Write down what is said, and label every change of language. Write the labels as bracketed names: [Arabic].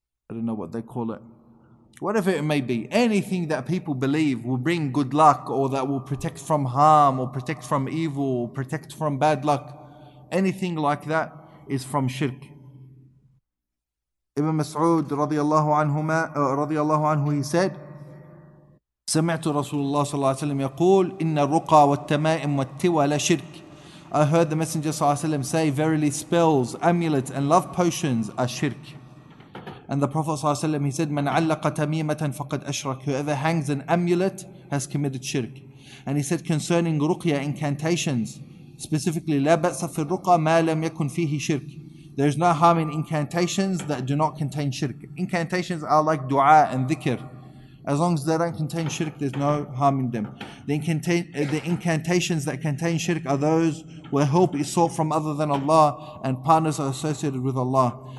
[English] I don't know what they call it. Whatever it may be. Anything that people believe will bring good luck, or that will protect from harm, or protect from evil, or protect from bad luck. Anything like that is from shirk. [Arabic] Ibn Mas'ud radiallahu anhu, [English] he said, [Arabic] سمعت رسول الله صلى الله عليه وسلم يقول إن الرقى والتمائم والتوى لا شرك. [English] I heard the Messenger [Arabic] صلى الله عليه وسلم [English] say, verily spells, amulets, and love potions are shirk. And the Prophet [Arabic] صلى الله عليه وسلم, [English] he said, [Arabic] من علق تميمة فقد أشرك. [English] Whoever hangs an amulet has committed shirk. And he said concerning [Arabic] رقية, [English] incantations, specifically [Arabic] لا بأس في الرقى ما لم يكن فيه شرك. [English] There is no harm in incantations that do not contain shirk. Incantations are like du'a and dhikr. As long as they don't contain shirk, there's no harm in them. The incantations that contain shirk are those where help is sought from other than Allah and partners are associated with Allah.